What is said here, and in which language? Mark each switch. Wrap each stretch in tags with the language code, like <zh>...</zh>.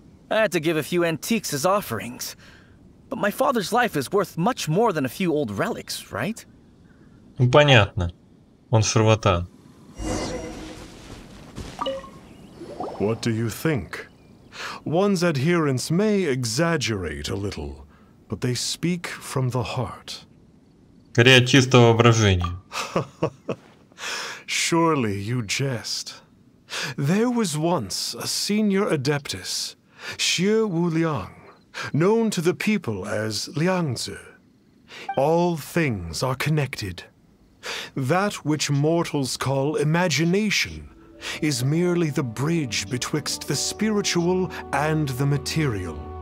<en>I had to give a few antiques as offerings. But my father's life is worth much more than a few old relics, right?</en> <ru>Понятно. Он шарлатан.</ru> <en>What do you think? One's adherents may exaggerate a little, but they speak from the heart.</en> <ru>Скорее от чистого воображения.</ru> <en>Surely you jest. There was once a senior adeptus, Xie Wu Liang, known to the people as Liangzi. All things are connected. That which mortals call imagination is merely the bridge betwixt the spiritual and the material.</en>